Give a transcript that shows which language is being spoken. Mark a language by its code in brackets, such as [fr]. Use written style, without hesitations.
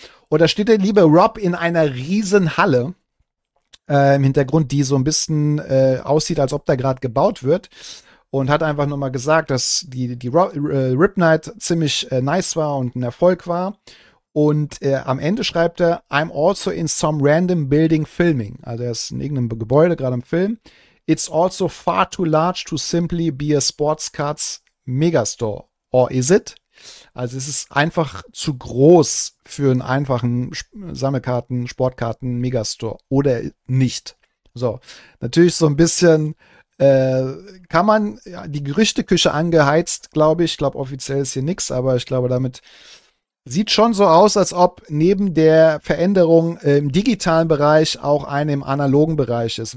[de] Und da steht der liebe Rob in einer Riesenhalle im Hintergrund, die so ein bisschen aussieht, als ob da gerade gebaut wird. Und hat einfach nur mal gesagt, dass die Rip Night ziemlich nice war und ein Erfolg war. Und am Ende schreibt er, [en] I'm also in some random building filming. [de] Also er ist in irgendeinem Gebäude gerade am Film. [en] It's also far too large to simply be a sports cards megastore. Or is it? [de] Also es ist einfach zu groß für einen einfachen Sammelkarten, Sportkarten, Megastore oder nicht. So, natürlich so ein bisschen kann man ja, die Gerüchteküche angeheizt, glaube ich. Ich glaube, offiziell ist hier nichts, aber ich glaube, damit sieht schon so aus, als ob neben der Veränderung im digitalen Bereich auch eine im analogen Bereich ist.